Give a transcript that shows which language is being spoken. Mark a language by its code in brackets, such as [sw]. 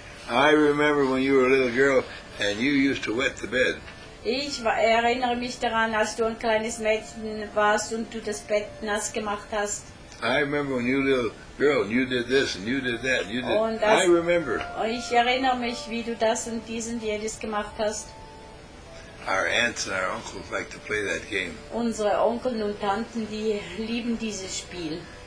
[en] I remember when you were a little girl and you used to wet the bed. [de] Ich erinnere mich daran, als du ein kleines Mädchen warst und du das Bett nass gemacht hast. [en] I remember when you were a little girl and you did this and you did that and you did [de] und das, [en] I remember. [de] Ich erinnere mich, wie du das und dies und jenes gemacht hast. [en] Our aunts and our uncles like to play that game. [de] Unsere Onkel und Tanten, die lieben dieses Spiel.